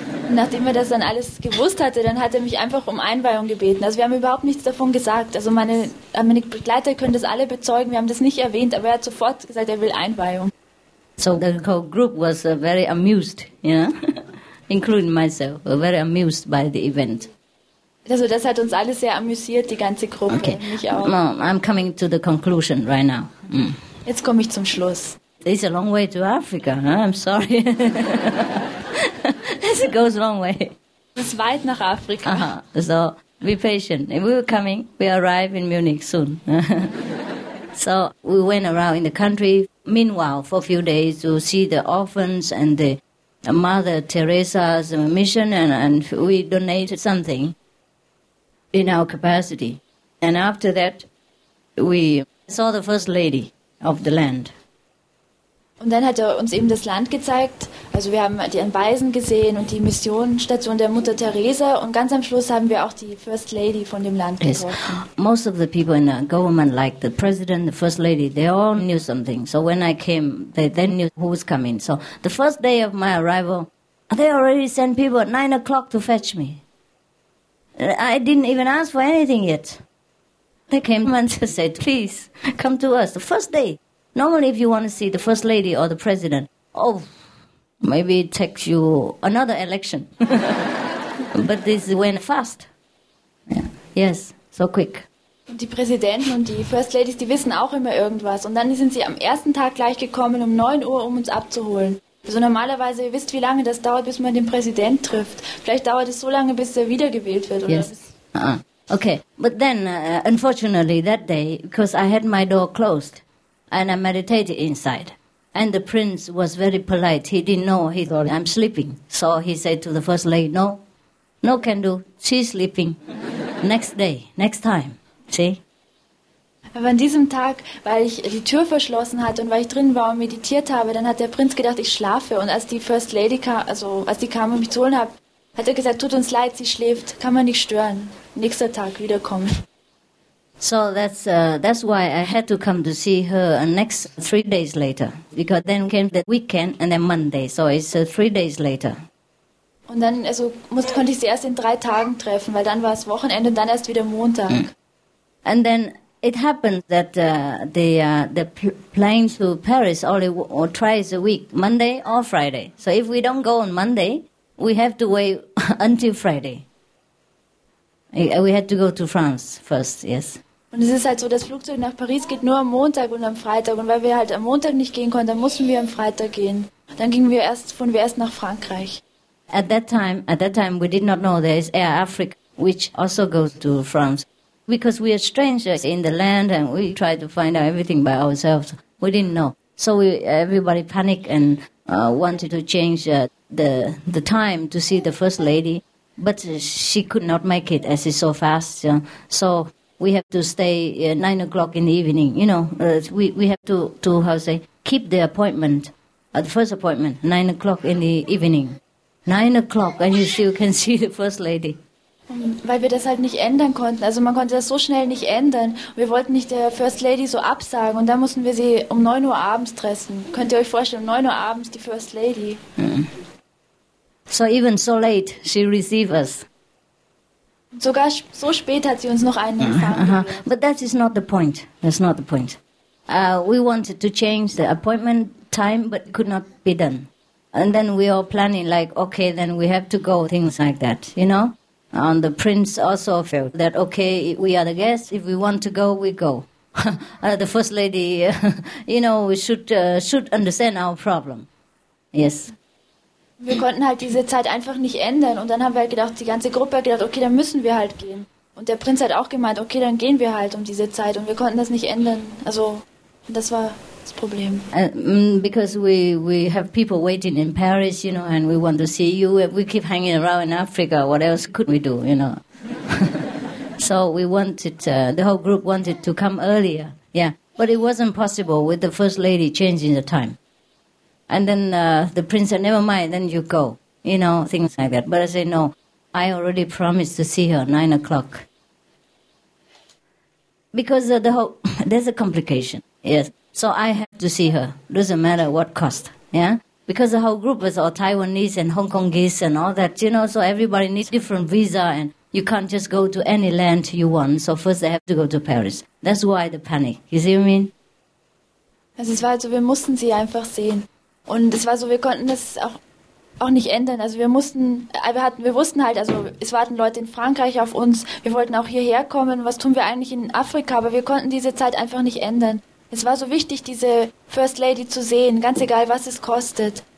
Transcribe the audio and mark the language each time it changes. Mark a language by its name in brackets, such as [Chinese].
[German] Nachdem er das dann alles gewusst hatte, dann hat er mich einfach um Einweihung gebeten. Also wir haben überhaupt nichts davon gesagt. Also meine Begleiter können das alle bezeugen. Wir haben das nicht erwähnt, aber er hat sofort gesagt, er will Einweihung. [English] So the whole group was very amused, you know? Including myself, very amused by the event. [German] Also das hat uns alle sehr amüsiert, die ganze Gruppe. [English] Okay. [German] Mich auch. [English] No, I'm coming to the conclusion right now. Mm. [German] Jetzt komme ich zum Schluss. [English] It's a long way to Africa, huh? I'm sorry. It goes a long way. It's [German] weit nach Afrika. [English] Uh-huh. So be patient. If we were coming, we arrive in Munich soon. So we went around in the country, meanwhile, for a few days to see the orphans and the Mother Teresa's mission, and we donated something in our capacity. And after that, we saw the First Lady of the land. [German] Und dann hat er uns eben das Land gezeigt. Also wir haben die Waisen gesehen und die Missionsstation der Mutter Teresa. Und ganz am Schluss haben wir auch die First Lady von dem Land getroffen. [English] Yes. Most of the people in the government, like the president, the First Lady, they all knew something. So when I came, they knew who was coming. So the first day of my arrival, they already sent people at 9 o'clock to fetch me. I didn't even ask for anything yet. They came and said, please, come to us, the first day. Normally, if you want to see the First Lady or the President, oh, maybe it takes you another election. But this went fast. Yeah. Yes, so quick. [German] Und die Präsidenten und die First Ladies, die wissen auch immer irgendwas. Und dann sind sie am ersten Tag gleich gekommen, um 9 Uhr, um uns abzuholen. Also normalerweise, ihr wisst, wie lange das dauert, bis man den Präsident trifft. Vielleicht dauert es so lange, bis er wiedergewählt wird. [English] Yes. Okay, but then, unfortunately, that day, because I had my door closed, and I meditated inside. And the prince was very polite. He didn't know. He thought, I'm sleeping. So he said to the First Lady, no, no can do. She's sleeping. Next day, next time. See? [German] Aber an diesem Tag, weil ich die Tür verschlossen hatte und weil ich drin war und meditiert habe, dann hat der Prinz gedacht, ich schlafe. Und als die First Lady kam, also als die kam und mich zu holen hat, hat er gesagt, tut uns leid, sie schläft. Kann man nicht stören. Nächster Tag wiederkommen. [English] So that's why I had to come to see her next 3 days later, because then came the weekend and then Monday, so it's 3 days later. [German] Und dann also konnte ich sie erst in 3 Tagen treffen, weil dann war es Wochenende und dann erst wieder Montag. Mm. [English] And then it happened that the plane to Paris only or twice a week, Monday or Friday. So if we don't go on Monday, we have to wait until Friday. We had to go to France first, yes. [German] Und es ist halt so, das Flugzeug nach Paris geht nur am Montag und am Freitag. Und weil wir halt am Montag nicht gehen konnten, dann mussten wir am Freitag gehen. Dann gingen wir erst nach Frankreich. [English] At that time we did not know there is Air Africa, which also goes to France. Because we are strangers in the land and we try to find out everything by ourselves. We didn't know. So everybody panicked and wanted to change the time to see the first lady. But she could not make it as it's so fast. Yeah. So we have to stay at 9 o'clock in the evening. You know, we have to how say keep the appointment, the first appointment, 9 o'clock in the evening. 9 o'clock and you still can see the first lady. [German] Weil wir das halt nicht ändern konnten. Also man konnte das so schnell nicht ändern. Wir wollten nicht der First Lady so absagen. Und dann mussten wir sie um 9 Uhr abends treffen. Könnt ihr euch vorstellen, um 9 Uhr abends die First Lady. [English] So even so late, she received us. [German] Sogar so spät hat sie uns noch einen empfangen. [English] But that is not the point. That's not the point. We wanted to change the appointment time, but could not be done. And then we are planning like, okay, then we have to go, things like that, you know? And the prince also felt that, okay, we are the guests. If we want to go, we go. The first lady, you know, we should understand our problem. Yes. [German] Wir konnten halt diese Zeit einfach nicht ändern. Und dann haben wir halt gedacht, die ganze Gruppe hat gedacht, okay, dann müssen wir halt gehen. Und der Prinz hat auch gemeint, okay, dann gehen wir halt um diese Zeit. Und wir konnten das nicht ändern. Also, das war das Problem. [English] Because we have people waiting in Paris, you know, and we want to see you. We keep hanging around in Africa. What else could we do, you know? So we wanted, the whole group wanted to come earlier. Yeah, but it wasn't possible with the first lady changing the time. And then the prince said, never mind, then you go. You know, things like that. But I say, no, I already promised to see her at 9 o'clock. Because the whole, there's a complication, yes. So I have to see her, doesn't matter what cost, yeah? Because the whole group is all Taiwanese and Hong Kongese and all that, you know, so everybody needs different visa and you can't just go to any land you want. So first they have to go to Paris. That's why the panic, you see what I mean? [German] Also es war so, wir mussten sie einfach sehen. Und es war so, wir konnten das auch nicht ändern. Also wir wussten halt, also es warten Leute in Frankreich auf uns. Wir wollten auch hierher kommen. Was tun wir eigentlich in Afrika? Aber wir konnten diese Zeit einfach nicht ändern. Es war so wichtig, diese First Lady zu sehen, ganz egal, was es kostet.